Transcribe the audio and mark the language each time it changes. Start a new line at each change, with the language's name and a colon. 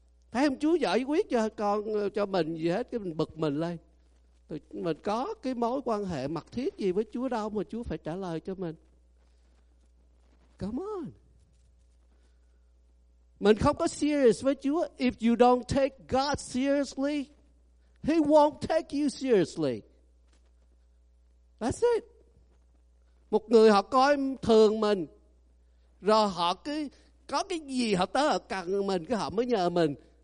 Vietnamese: Thấy không, Chúa giải quyết cho con, cho mình gì hết. Cái mình bực mình lên. Mình có cái mối quan hệ mật thiết gì với Chúa đâu mà Chúa phải trả lời cho mình.
English: Come on.
Vietnamese: Mình không có serious với Chúa.
English: If you don't take God seriously, He won't take you seriously. That's it.
Vietnamese: Một người họ coi thường mình. Rồi họ cứ có cái gì họ tới họ cần mình, cái họ mới nhờ mình.